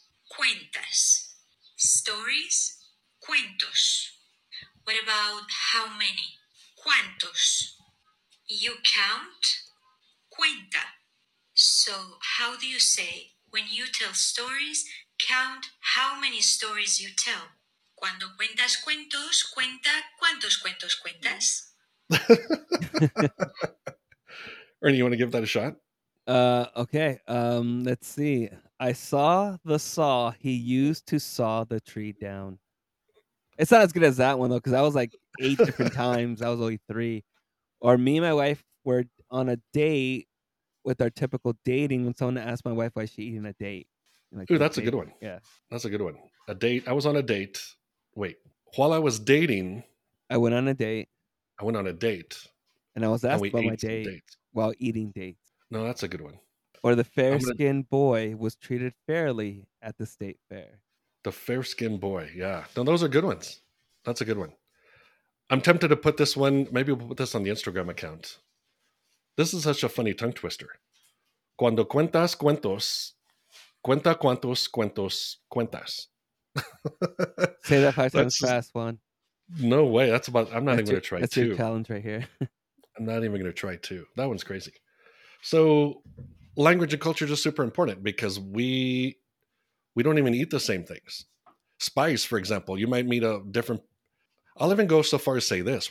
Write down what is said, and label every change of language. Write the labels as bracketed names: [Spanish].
[Spanish] Cuentas. [English] Stories? [Spanish] Cuentos. [English] What about how many? [Spanish] Cuantos. [English] You count? [Spanish] Cuenta. [English] So how do you say when you tell stories, count how many stories you tell? [Spanish] Cuando cuentas cuentos, cuenta cuántos cuentos cuentas. [English] Ernie, you want to give that a shot? Okay. Let's see. I saw the saw he used to saw the tree down. It's not as good as that one, though, because that was like eight different times. That was only three. Or me and my wife were on a date with our typical dating when someone asked my wife why she's eating a date. Like, ooh, that's a good one. Yeah. That's a good one. A date. I was on a date. Wait. While I was dating. I went on a date. I went on a date. And I was asked about my date while eating dates. No, that's a good one. Or the fair-skinned boy was treated fairly at the state fair. The fair-skinned boy, yeah. No, those are good ones. That's a good one. I'm tempted to put this one, maybe we'll put this on the Instagram account. This is such a funny tongue twister. [Spanish] Cuando cuentas cuentos, cuenta cuántos cuentos cuentas. [English] Say that five times fast, Juan. No way. I'm not even going to try two. That's your challenge right here. I'm not even going to try two. That one's crazy. So language and culture are just super important because we don't even eat the same things. Spice, for example, you might meet a different... I'll even go so far as say this.